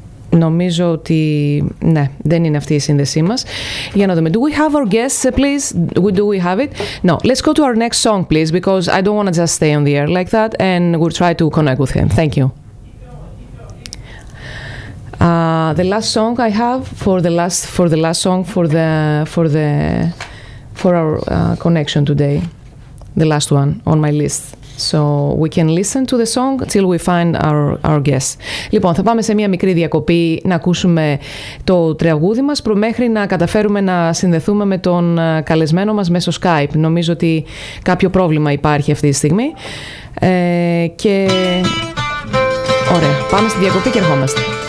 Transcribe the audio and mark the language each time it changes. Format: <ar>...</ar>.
<el>Νομίζω ότι, ναι, δεν είναι αυτή η σύνδεσή μας. Για να δούμε.</el> <en>Do we have our guests, please? Do we have it? No. Let's go to our next song, please, because I don't want to just stay on the air like that, and we'll try to connect with him. Thank you. The last song I have for our connection today, the last one on my list. So we can listen to the song till we find our guests.</en> <el>Λοιπόν, θα πάμε σε μια μικρή διακοπή να ακούσουμε το τραγούδι μας μέχρι να καταφέρουμε να συνδεθούμε με τον καλεσμένο μας μέσω Skype. Νομίζω ότι κάποιο πρόβλημα υπάρχει αυτή τη στιγμή. Και ωραία, πάμε στη διακοπή και ερχόμαστε.</el>